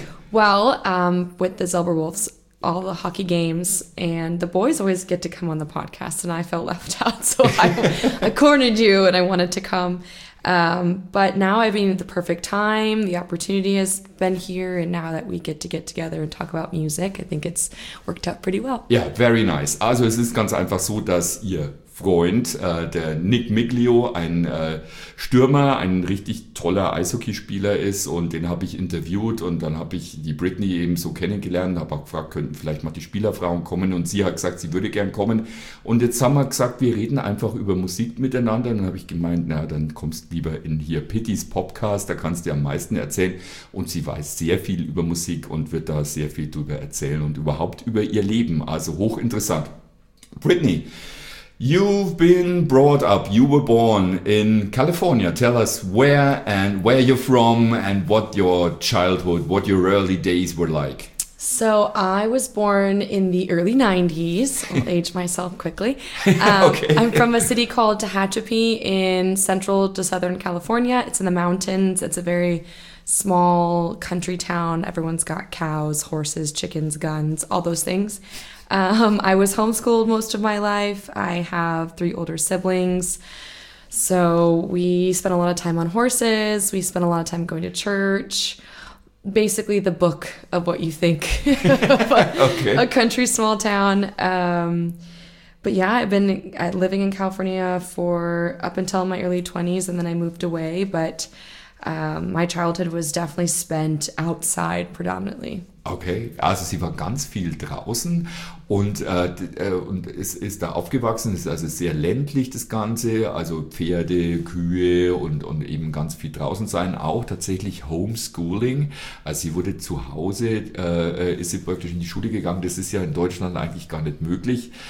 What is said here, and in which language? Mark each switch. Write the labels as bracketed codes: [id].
[en] Well, with the Zilberwolves, all the hockey games, and the boys always get to come on the podcast, and I felt left out, so I cornered you, and I wanted to come. But now I've been at the perfect time. The opportunity has been here, and now that we get to get together and talk about music, I think it's worked out pretty well. Yeah, very nice. [de] Also, es ist ganz einfach so, dass ihr Freund, der Nick Miglio, ein Stürmer, ein richtig toller Eishockeyspieler ist und den habe ich interviewt und dann habe ich die Brittany eben so kennengelernt, habe auch gefragt, könnten vielleicht mal die Spielerfrauen kommen und sie hat gesagt, sie würde gern kommen und jetzt haben wir gesagt, wir reden einfach über Musik miteinander und dann habe ich gemeint, na dann kommst lieber in hier Pitties Podcast, da kannst du am meisten erzählen und sie weiß sehr viel über Musik und wird da sehr viel drüber erzählen und überhaupt über ihr Leben, also hochinteressant. [en] Brittany, you've been brought up, you were born in California. Tell us where and where you're from and what your childhood, what your early days were like. So I was born in the early 90s. I'll age myself quickly. Okay. I'm from a city called Tehachapi in central to southern California. It's in the mountains. It's a very small country town. Everyone's got cows, horses, chickens, guns, all those things. I was homeschooled most of my life. I have three older siblings. So we spent a lot of time on horses. We spent a lot of time going to church. Basically the book of what you think okay. a country small town. But yeah, I've been living in California for up until my early 20s and then I moved away. But my childhood was definitely spent outside predominantly. [de] Okay, also sie war ganz viel draußen und ist da aufgewachsen, ist also sehr ländlich das Ganze, also Pferde, Kühe und eben ganz viel draußen sein, auch tatsächlich Homeschooling, also sie wurde zu Hause, ist sie praktisch in die Schule gegangen, das ist ja in Deutschland eigentlich gar nicht möglich.